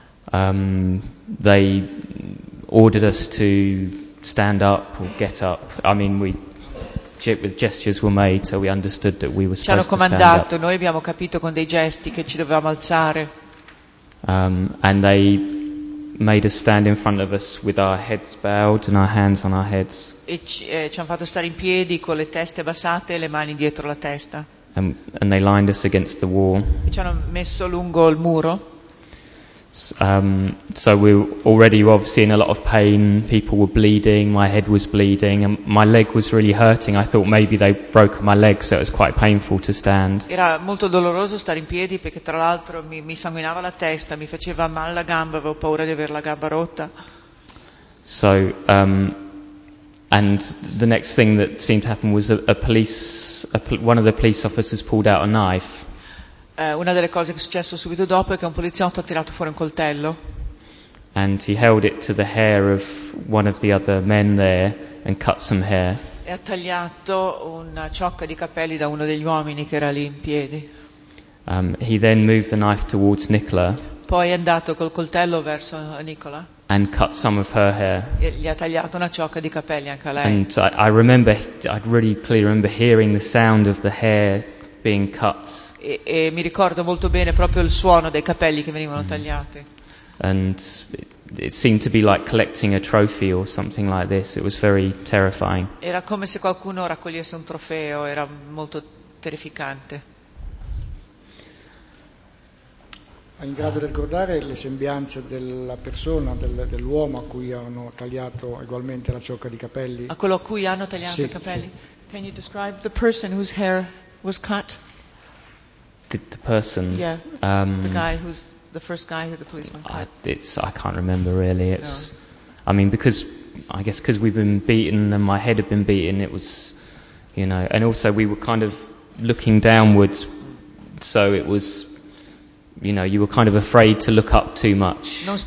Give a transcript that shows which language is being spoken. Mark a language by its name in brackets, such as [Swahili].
[English] They ordered us to stand up or get up. I mean, with gestures were made, so we understood that we were supposed to stand up. [Italian] Ci hanno comandato, noi abbiamo capito con dei gesti che ci dovevamo alzare. [English] And they made us stand in front of us with our heads bowed and our hands on our heads. [Italian] E ci hanno fatto stare in piedi con le teste abbassate e le mani dietro la testa. [English] And they lined us against the wall. [Italian] E ci hanno messo lungo il muro. [English] So we were already obviously in a lot of pain, people were bleeding, my head was bleeding and my leg was really hurting. I thought maybe they broke my leg, so it was quite painful to stand. [Italian] Era molto doloroso stare in piedi perché tra l'altro mi sanguinava la testa, mi faceva male la gamba, avevo paura di aver la gamba rotta. [English] So and the next thing that seemed to happen was one of the police officers pulled out a knife. [Italian] Una delle cose che è successo subito dopo è che un poliziotto ha tirato fuori un coltello. [English] And he held it to the hair of one of the other men there and cut some hair. [Italian] E ha tagliato una ciocca di capelli da uno degli uomini che era lì in piedi. [English] He then moved the knife towards Nicola. [Italian] Poi è andato col coltello verso Nicola. [English] And cut some of her hair. [Italian] E gli ha tagliato una ciocca di capelli anche a lei. [English] And I really clearly remember hearing the sound of the hair being cut. [Italian] E mi ricordo molto bene proprio il suono dei capelli che venivano tagliati. [English] And it seemed to be like collecting a trophy or something like this. It was very terrifying. [Italian] Era come se qualcuno raccogliesse un trofeo, era molto terrificante. È in grado di ricordare le sembianze della persona, dell'uomo a cui hanno tagliato ugualmente la ciocca di capelli? A quello a cui hanno tagliato sì, i capelli? Sì. [English] Can you describe the person whose hair was cut? The person, the guy who's the first guy that the policeman cut. I can't remember really. I mean, because we've been beaten and my head had been beaten, it was, you know, and also we were kind of looking downwards, so it was, you know, you were kind of afraid to look up too much.